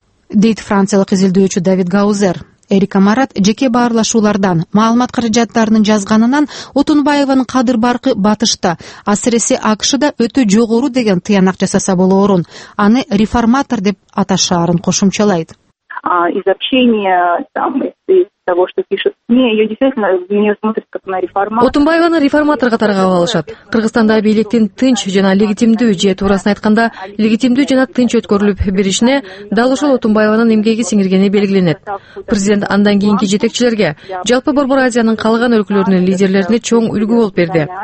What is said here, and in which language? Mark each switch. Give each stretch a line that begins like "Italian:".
Kyrgyz: Дейт франциялык изилдөөчү Давид Гаузер. Эрика Марат жеке баарлашуулардан, маалымат каражаттарынын жазганынан Отунбаеванын кадыр баркы батышта, асыресе АКШда өтө жогору деген тыянак жасаса болоорун, аны реформатор деп аташаарын кошумчалайт.
Russian: Из общения там того, что пишут. Не, её действительно, в неё смотрят как на реформатор.
Kyrgyz: Отунбаеваны реформатор катарга алышат. Кыргызстанда бийликтин тынч жана легитимдүү же туурасын айтканда, легитимдүү жана тынч өткөрүлүп беришине дал ушул Отунбаеванын эмгеги сиңиргени белгиленет. Президент андан кийинки жетекчилерге, жалпы Борбор Азиянын калган өлкөлөрүнүн лидерлерине чоң үлгү болуп берди.